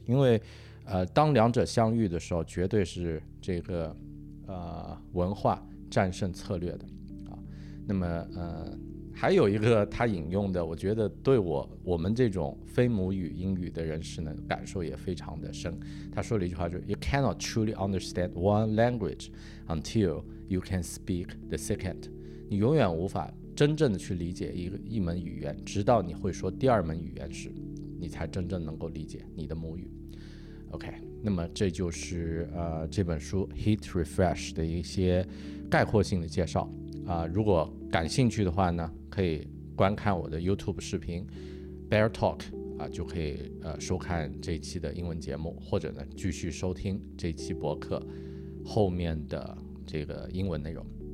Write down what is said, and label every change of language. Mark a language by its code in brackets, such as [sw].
[zh] 因为当两者相遇的时候，绝对是这个文化战胜策略的啊。那么还有一个他引用的，我觉得对我们这种非母语英语的人士呢，感受也非常的深。他说了一句话，就是 [en] You cannot truly understand one language until you can speak the second。 [zh] 你永远无法真正的去理解一门语言，直到你会说第二门语言时，你才真正能够理解你的母语。 OK， 那么这就是这本书 Hit Refresh 的一些概括性的介绍啊。如果感兴趣的话呢，可以观看我的 YouTube 视频 Bear Talk 啊，就可以收看这期的英文节目，或者呢继续收听这期博客后面的这个英文内容。